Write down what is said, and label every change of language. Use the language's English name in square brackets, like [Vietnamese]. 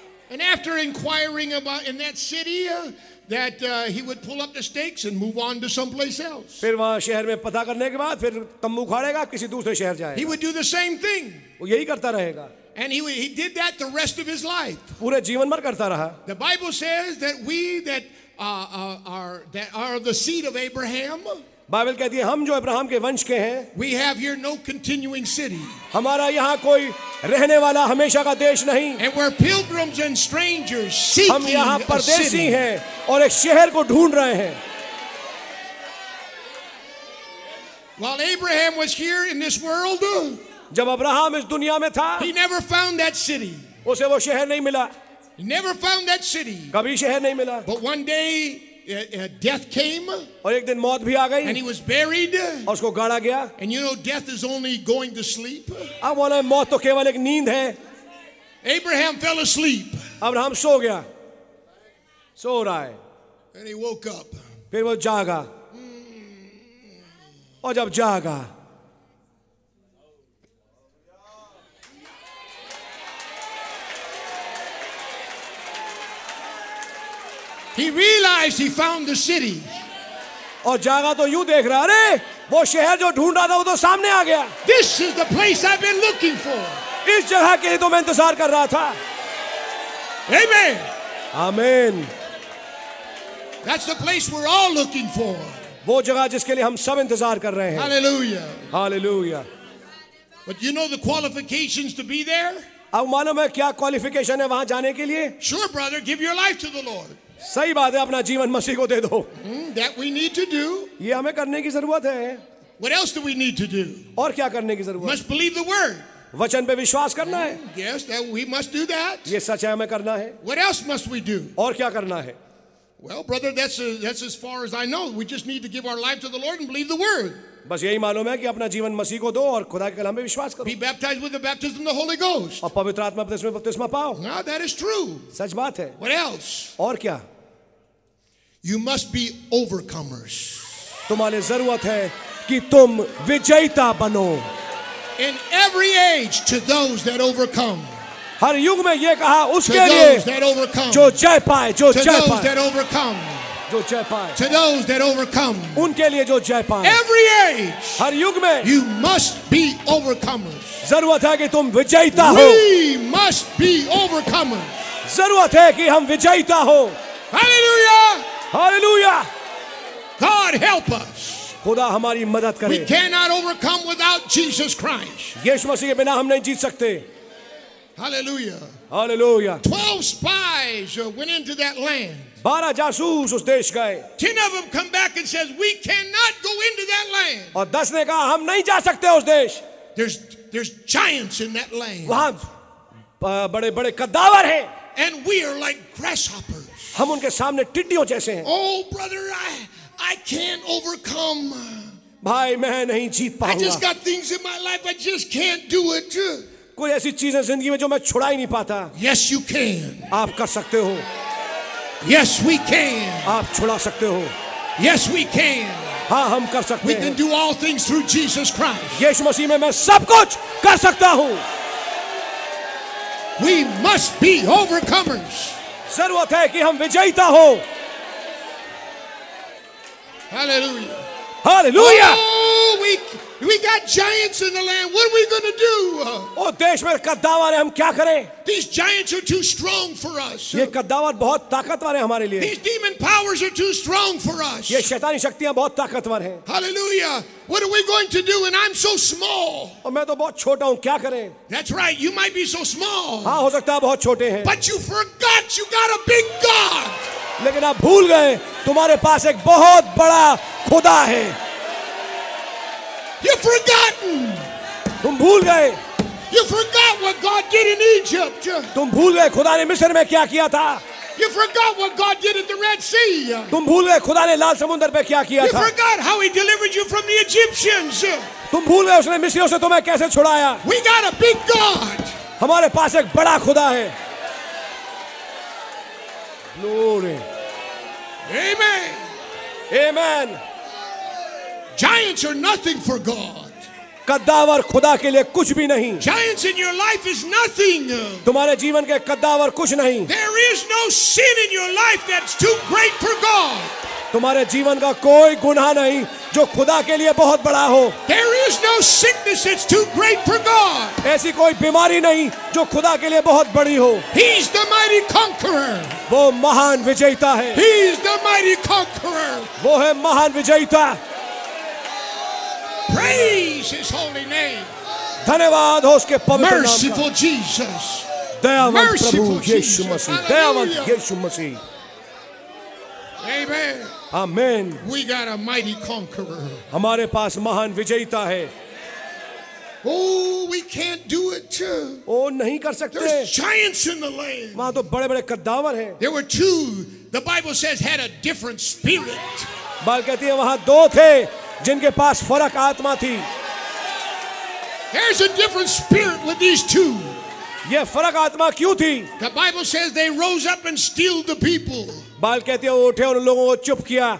[English] And after inquiring about in that city, he would pull up the stakes and move on to someplace else. [Hindi] फिर वहाँ शहर में पता करने के बाद फिर तंबू खाड़ेगा, किसी दूसरे शहर जाएगा. [English] He would do the same thing. [Hindi] वो यही करता रहेगा. [English] And he did that the rest of his life. [Hindi] पूरे जीवन भर करता रहा. [English] The Bible says that we that are the seed of Abraham. [Hindi] Bible कहती है हम जो अब्राहम के वंश के हैं. [English] We have here no continuing city. [Hindi] हमारा यहाँ कोई रहने वाला हमेशा का देश नहीं. [English] And we're pilgrims and strangers seeking. [Hindi] हम यहाँ परदेशी हैं और एक शहर को ढूंढ रहे हैं. [English] While Abraham was here in this world, [Hindi] जब अब्राहम इस दुनिया में था, [English] he never found that city. [Hindi] उसे वो शहर नहीं मिला. [English] He never found that city. [Hindi] कभी शहर नहीं मिला. [English] But one day, death came. [Hindi] और एक दिन मौत भी आ गई. [English] And he was buried. [Hindi] और उसको गाड़ा गया. [English] And you know, death is only going to sleep. [Hindi] अब वाला मौत तो केवल एक नींद है. [English] Abraham fell asleep. [Hindi] अब्राहम सो गया. सो रहा है. [English] And he woke up. [Hindi] फिर वो जागा. और जब जागा, [English] he realized he found the city. [Hindi] और जागा तो यूं देख रहा, अरे वो शहर जो ढूंढ रहा था वो तो सामने आ गया. [English] This is the place I've been looking for. [Hindi] इस जगह के लिए तो मैं इंतजार कर रहा था. [English] Amen. Amen. That's the place we're all looking for. [Hindi] वो जगह जिसके लिए हम सब इंतजार कर रहे हैं. [English] Hallelujah. Hallelujah. But you know the qualifications to be there? [Hindi] अब मालूम है क्या क्वालिफिकेशन है वहां जाने के लिए? [English] Sure, brother, give your life to the Lord. [Hindi] सही बात है, अपना जीवन मसीह को दे दो. [English] That we need to do. [Hindi] ये हमें करने की जरूरत है. [English] What else do we need to do? [Hindi] और क्या करने की जरूरत? [English] Must believe the word. [Hindi] वचन पे विश्वास करना है. [English] Yes, that we must do that. [Hindi] ये सच है, हमें करना है. [English] What else must we do? [Hindi] और क्या करना है? [English] Well, brother, that's as far as I know. We just need to give our life to the Lord and believe the word. [Hindi] बस यही मालूम है कि अपना जीवन मसीह को दो और खुदा के कलाम पे विश्वास करो. [English] Be baptized with the baptism of the Holy Ghost. [Hindi] और पवित्र आत्मा में बपतिस्मा पाओ. [English] Now that is true. [Hindi] सच बात है. [English] What else? [Hindi] और क्या? [English] You must be overcomers. [Hindi] तुम्हारे जरूरत है कि तुम विजेता बनो. [English] In every age to those that overcome. [Hindi] हर युग में ये कहा उसके लिए जो जय पाए, जो जय पाए, जो जय पाए, [English] to those that overcome, [Hindi] उनके लिए जो जय पाए, [English] every age, [Hindi] हर युग में, [English] you must be overcomers, [Hindi] जरूरत है कि तुम विजेता हो, [English] we must be overcomers, [Hindi] जरूरत है कि हम विजेता हो, [English] hallelujah, hallelujah, God help us. [Hindi] खुदा हमारी मदद करे. [English] We cannot overcome without Jesus Christ. [Hindi] यीशु मसीह के बिना हम नहीं जीत सकते. [English] Hallelujah. Hallelujah. 12 spies went into that land. [Hindi] 12 जासूस उस देश गए. [English] 10 of them come back and says, "We cannot go into that land." [Hindi] और 10 ने कहा हम नहीं जा सकते उस देश. [English] There's giants in that land. [Hindi] वहाँ बड़े-बड़े कद्दावर हैं. [English] And we are like grasshoppers. [Hindi] हम उनके सामने टिड्डियों जैसे हैं. [English] Oh brother, I can't overcome. [Hindi] भाई मैं नहीं जीत पाऊंगा. [English] I just got things in my life I just can't do it. [Hindi] कोई ऐसी चीजें जिंदगी में जो मैं छुड़ा ही नहीं पाता. [English] Yes you can. [Hindi] आप कर सकते हो. [English] Yes we can. [Hindi] आप छुड़ा सकते हो. [English] Yes we can. [Hindi] हाँ हम कर सकते हैं. [English] We can do all things through Jesus Christ. [Hindi] यीशु मसीह में मैं सब कुछ कर सकता हूँ. [English] We must be overcomers. [Hindi] जरूरत है कि हम विजेता हो. [English] Hallelujah. Hallelujah. Oh, we got giants in the land. What are we going to do? [Hindi] Oh, देश में कद्दावर हैं हम क्या करें? [English] These giants are too strong for us. [Hindi] ये कद्दावर बहुत ताकतवर हैं हमारे लिए. [English] These demon powers are too strong for us. [Hindi] ये शैतानी शक्तियां बहुत ताकतवर हैं. [English] Hallelujah. What are we going to do? And I'm so small. [Hindi] और मैं तो बहुत छोटा हूँ क्या करें? [English] That's right. You might be so small. [Hindi] हाँ हो सकता है बहुत छोटे हैं. [English] But you forgot you got a big God. [Hindi] लेकिन आप भूल गए तुम्हारे पास एक बहुत बड़ा खुदा है. [English] You've forgotten. [Hindi] तुम भूल गए. [English] You forgot what God did in Egypt. [Hindi] तुम भूल गए खुदा ने मिस्र में क्या किया था. [English] You forgot what God did at the Red Sea. [Hindi] तुम भूल गए खुदा ने लाल समुद्र पे क्या किया था. [English] You forgot how He delivered you from the Egyptians. [Hindi] तुम भूल गए उसने मिस्रियों से तुम्हें कैसे छुड़ाया. [English] We got a big God. [Hindi] हमारे पास एक बड़ा खुदा है. [English] Glory. Amen. Amen. Giants are nothing for God. [Hindi] कद्दावर खुदा के लिए कुछ भी नहीं. [English] Giants in your life is nothing. [Hindi] तुम्हारे जीवन के कद्दावर कुछ नहीं. [English] There is no sin in your life that's too great for God. [Hindi] तुम्हारे जीवन का कोई गुनाह नहीं जो खुदा के लिए बहुत बड़ा हो. [English] There is no sickness that's too great for God. [Hindi] ऐसी कोई बीमारी नहीं जो खुदा के लिए बहुत बड़ी हो. [English] He's the mighty conqueror. [Hindi] वो महान विजेता है. [English] He's the mighty conqueror. [Hindi] वो है महान विजेता. [English] Praise his holy name. [Hindi] धन्यवाद हो उसके पवित्र नाम का. [English] Merciful Jesus. [Hindi] दयावंत Prabhu Yeshu Masih. दयावंत Yeshu Masih. [English] Amen. Amen. We got a mighty conqueror. [Hindi] हमारे पास महान विजेता है. [English] Oh, we can't do it. [Hindi] Oh, नहीं कर सकते. [English] There's giants in the land. [Hindi] वहाँ तो बड़े-बड़े कद्दावर हैं. [English] There were two. The Bible says had a different spirit. [Hindi] Bible कहती है वहाँ दो थे जिनके पास फर्क आत्मा थी. [English] There's a different spirit with these two. [Hindi] ये फर्क आत्मा क्यों थी? [English] The Bible says they rose up and stealed the people. [Hindi] बाल कहते हैं उठे और लोगों को चुप किया.